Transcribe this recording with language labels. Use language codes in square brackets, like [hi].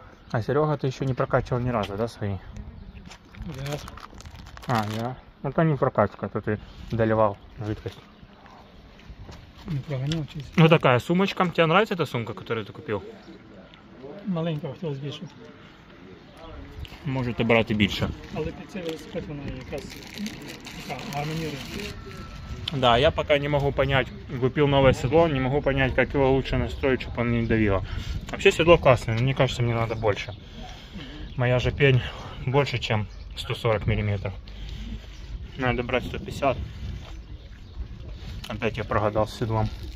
[ru] А Серега, ты еще не прокачивал ни разу, да, свои? Да. А, да. Это не прокачка, это ты доливал жидкость. Не прогонял чисто. Ну такая сумочка. Тебе нравится эта сумка, которую ты купил? Маленько хотел больше. Можете брать и больше. [uk] Але під цей велосипед вона якраз гармонірує. [ru] Да, я пока не могу понять, купил новое седло, не могу понять, как его лучше настроить, чтобы оно не давило. Вообще седло классное, но мне кажется, мне надо больше. Моя же пень больше, чем 140 мм. Надо брать 150. Опять я прогадал с седлом.